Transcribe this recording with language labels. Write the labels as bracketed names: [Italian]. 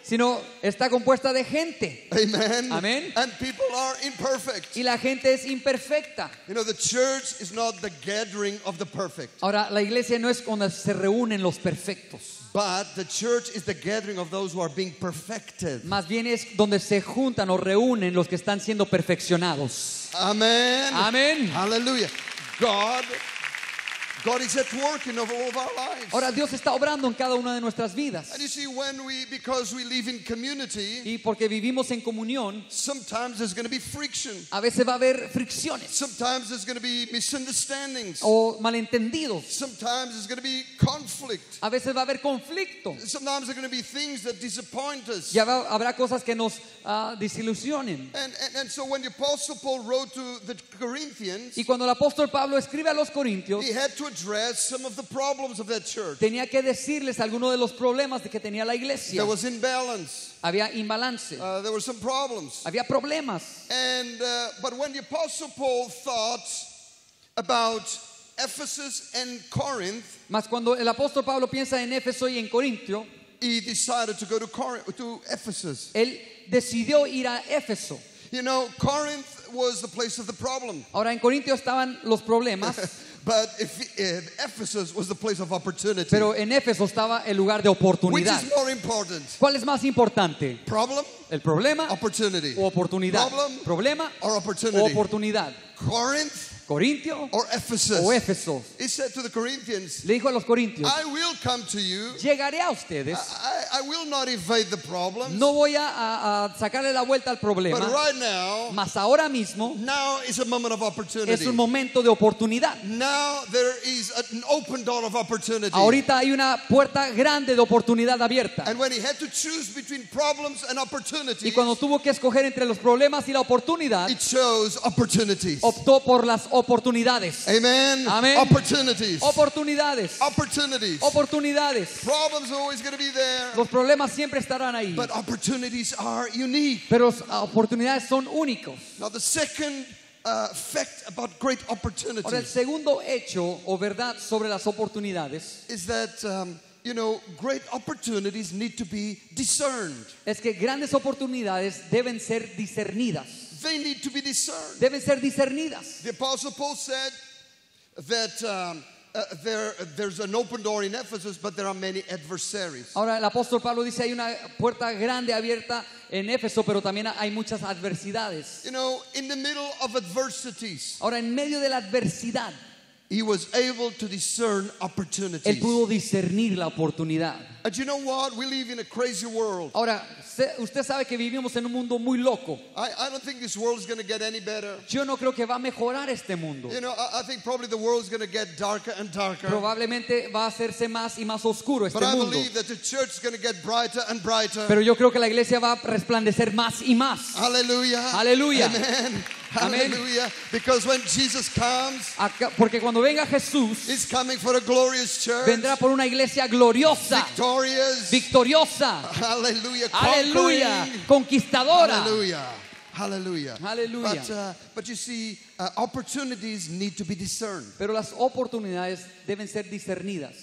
[Spanish] Sino está compuesta de gente. [English] Amen. Amen. And people are imperfect. [Spanish] Y la gente es imperfecta. [English] You know, the church is not the gathering of the perfect. [Spanish] Ahora, la iglesia no es donde se reúnen los perfectos. [English] But the church is the gathering of those who are being perfected. [Spanish] Más bien es donde se juntan o reúnen los que están siendo perfeccionados. [English] Amen. Amen. Hallelujah. God is at work in all of our lives. [Spanish] Ahora Dios está obrando en cada una de nuestras vidas. [English] And you see, because we live in community, [Spanish] y porque vivimos en comunión, [English] sometimes there's going to be friction. [Spanish] A veces va a haber fricciones. [English] Sometimes there's going to be misunderstandings. [Spanish] O malentendidos. [English] Sometimes there's going to be conflict. [Spanish] A veces va a haber conflicto. [English] Sometimes there's going to be things that disappoint us. [Spanish] Y habrá cosas que nos desilusionen. [English] And so when the apostle Paul wrote to the Corinthians, [Spanish] y cuando el apóstol Pablo escribe a los Corintios, [English] he had to address some of the problems of that church. [Spanish] Tenía que decirles algunos de los problemas que tenía la iglesia. [English] There was imbalance. [Spanish] Había imbalance. [English] There were some problems. [Spanish] Había problemas. [English] But when the apostle Paul thought about Ephesus and Corinth, [Spanish] mas cuando el apóstol Pablo piensa en Éfeso y en Corintio, [English] he decided to go to Corinth, to Ephesus. [Spanish] Él decidió ir a Éfeso. [English] You know, Corinth was the place of the problem. [Spanish] Ahora en Corintio estaban los problemas. [English] But if Ephesus was the place of opportunity. [Spanish] Pero en Éfeso estaba el lugar de oportunidad. [English] Which is more important? [Spanish] ¿Cuál es más importante? [English] Problem? [Spanish] El problema. [English] Opportunity. [Spanish] O oportunidad. [English] Problem? [Spanish] Problema. [English] Or opportunity. [Spanish] O oportunidad. [English] Corinth? [Spanish] Corintio. [English] Or Ephesus? [Spanish] O Éfeso. [English] He said to the Corinthians. [Spanish] Le dijo a los Corintios. [English] I will come to you. [Spanish] Llegaré a ustedes. [English] I will not evade the problems. [Spanish] No voy a sacarle la vuelta al problema. [English] But right now. [Spanish] Mas ahora mismo. [English] Now is a moment of opportunity. [Spanish] Es un momento de oportunidad. [English] Now there is an open door of opportunity. [Spanish] Ahorita hay una puerta grande de oportunidad abierta. [English] And when he had to choose between problems and opportunities. [Spanish] Y cuando tuvo que escoger entre los problemas y la oportunidad. [English] He chose opportunities. [Spanish] Optó por las oportunidades. [English] Amen. Amen. Opportunities. [Spanish] Oportunidades. [English] Opportunities. [Spanish] Oportunidades. [English] Problems are always going to be there. [Spanish] Los problemas siempre estarán ahí. [English] But opportunities are unique. [Spanish] Pero oportunidades son únicos. [English] Now the second fact about great opportunities. [Spanish] Ahora el segundo hecho o verdad sobre las oportunidades [English] is that great opportunities need to be discerned. [Spanish] Es que grandes oportunidades deben ser discernidas. [English] They need to be discerned. [Spanish] Deben ser discernidas. [English] The Apostle Paul said that there's an open door in Ephesus, but there are many adversaries. [Spanish] Ahora el apóstol Pablo dice hay una puerta grande abierta en Éfeso, pero también hay muchas adversidades. [English] You know, in the middle of adversities. [Spanish] Ahora en medio de la adversidad, [English] he was able to discern opportunities. [Spanish] Él pudo discernir la oportunidad. [English] And you know what? We live in a crazy world. [Spanish] Ahora, usted sabe que vivimos en un mundo muy loco. [English] I don't think this world is going to get any better. [Spanish] Yo no creo que va a mejorar este mundo. [English] You know, I think probably the world is going to get darker and darker. [Spanish] Probablemente va a hacerse más y más oscuro este mundo. [English] But I believe that the church is going to get brighter and brighter. [Spanish] Pero yo creo que la iglesia va a resplandecer más y más. [English] Hallelujah. Hallelujah. Amen. Hallelujah. Because when Jesus comes, [Spanish] porque cuando venga Jesús, [English] he's coming for a glorious church. [Spanish] Vendrá por una iglesia gloriosa. Victoriosa. [English] Hallelujah. [Spanish] Hallelujah. Conquistadora. [English] Hallelujah. Hallelujah. Hallelujah. But you see, opportunities need to be discerned. [Spanish] Pero las oportunidades deben ser discernidas.